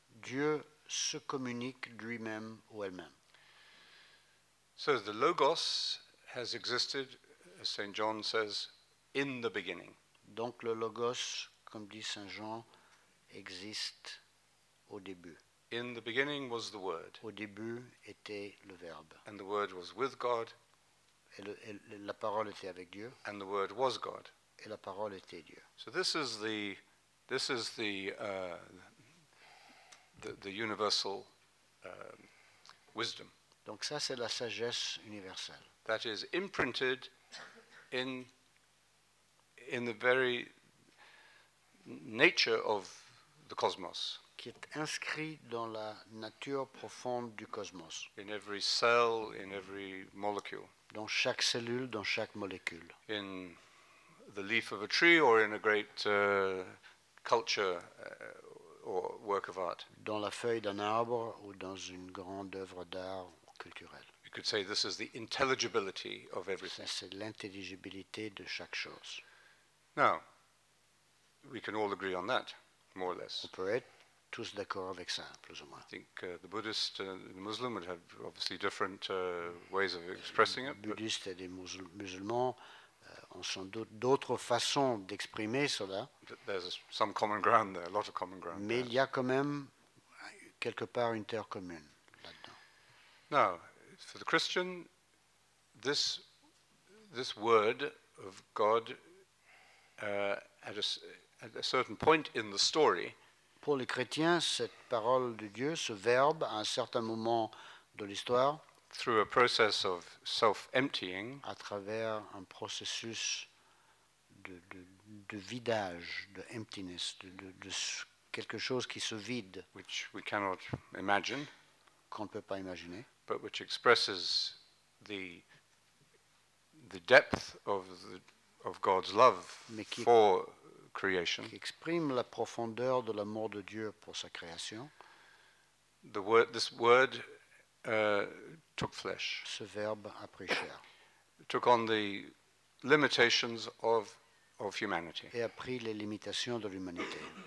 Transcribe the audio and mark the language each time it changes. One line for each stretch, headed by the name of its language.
French: Dieu se communique lui-même ou elle-même.
English: So the Logos has existed, as Saint John says, in the beginning.
French: Donc le Logos, comme dit Saint Jean, existe au début.
English: In the beginning was the Word.
French: Au début était le Verbe.
English: And the Word was with God.
French: Et la parole était avec Dieu.
English: And the Word was God.
French: Et la parole était Dieu.
English: So this is the universal wisdom.
French: Donc ça c'est la sagesse universelle.
English: That is imprinted in the very nature of the cosmos.
French: Qui est inscrit dans la nature profonde du cosmos.
English: In every cell, in every molecule.
French: Dans chaque cellule, dans chaque molécule.
English: In the leaf of a tree or in a great culture or work of art.
French: Dans la feuille d'un arbre ou dans une grande œuvre d'art culturelle.
English: You could say this is the intelligibility of everything.
French: Ça, c'est l'intelligibilité de chaque chose.
English: Now, we can all agree on that, more or less.
French: On peut être tous d'accord avec ça, plus ou moins.
English: I think the Buddhist and the Muslim would have obviously different ways of expressing it.
French: Les bouddhistes et les musulmans ont sans doute d'autres façons d'exprimer cela.
English: There's some common ground there, a lot of common ground.
French: Mais il y a quand même quelque part une terre commune là-dedans.
English: Now, for the Christian, this word of God at a certain point in the story.
French: Pour les chrétiens, cette parole de Dieu, ce verbe, à un certain moment de l'histoire,
English: through a process of self-emptying,
French: à travers un processus de de vidage, de emptiness, de quelque chose qui se vide,
English: which we cannot imagine,
French: qu'on ne peut pas imaginer,
English: but which expresses the depth of the of God's love for creation,
French: qui exprime la profondeur de l'amour de Dieu pour sa création.
English: The word, this word took flesh.
French: Ce verbe a pris chair.
English: Took on the limitations of humanity.
French: Et a pris les limitations de l'humanité.